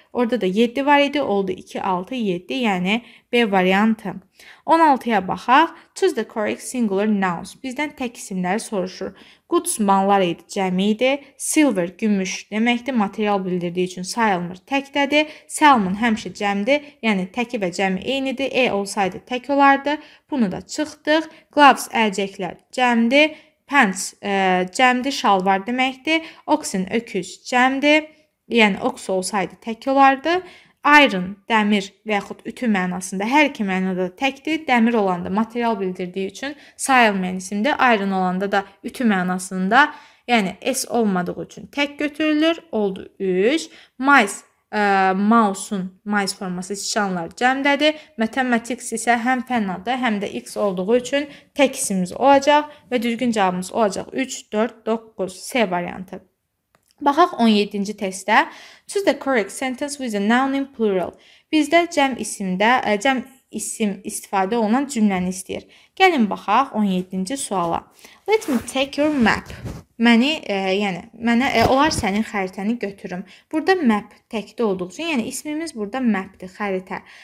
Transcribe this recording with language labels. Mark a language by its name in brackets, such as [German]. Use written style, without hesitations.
[Azerbaijani] Orada da 7 var idi, oldu 2, 6, 7, yəni B variantı. 16-ya baxaq. [English] Choose the correct singular nouns. [Azerbaijani] Bizdən tək isimləri soruşur. Goods, mallar idi, cəmi idi. Silver, gümüş deməkdir. Material bildirdiyi üçün sayılmır, təkdədir. Salmon həmişə cəmdir. Yəni, təki və cəmi eynidir. E olsaydı, tək olardı. Bunu da çıxdıq. Gloves, əlcəklər cəmdir. Pants, cəmdir. Şalvar deməkdir. Oxen, öküz cəmdir. Yəni, ox olsaydı, tək olardı. Iron, dəmir və yaxud ütü mənasında, hər iki mənada təkdir. Dəmir olanda material bildirdiyi üçün sayılmayan isimdir. Iron olanda da ütü mənasında, yəni S olmadığı üçün tək götürülür. Oldu 3. Mice, mouse-un mice forması sıçanlar cəmdədir. Mathematics isə həm fənnada, həm də X olduğu üçün tək isimimiz olacaq və düzgün cavabımız olacaq 3, 4, 9, C variantı. Baxaq 17-ci testdə. [English] Choose the correct sentence with a noun in plural. [Azerbaijani] Bizdə cəm isim istifadə olunan cümləni istəyir. Gəlin baxaq 17-ci suala. [English] Let me take your map. [Azerbaijani] Məni, yəni, mənə, onlar sənin xəritəni götürüm. Burada map təkdə olduğu üçün, yəni ismimiz burada map-dir, xəritə.